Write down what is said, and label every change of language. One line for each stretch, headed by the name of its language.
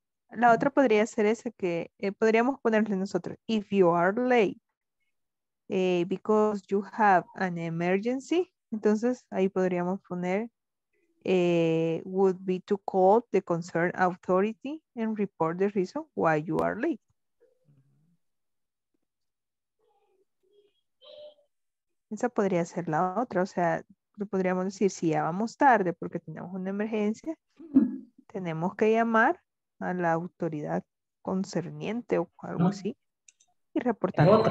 Spanish: La otra podría ser esa que podríamos ponerle nosotros.
English: If you are late. Because you have an emergency,
Spanish: entonces ahí podríamos poner
English: would be to call the concern authority and report the reason why you are late.
Spanish: Esa podría ser la otra, o sea, podríamos decir si ya vamos tarde porque tenemos una emergencia, tenemos que llamar a la autoridad concerniente o algo así y reportar.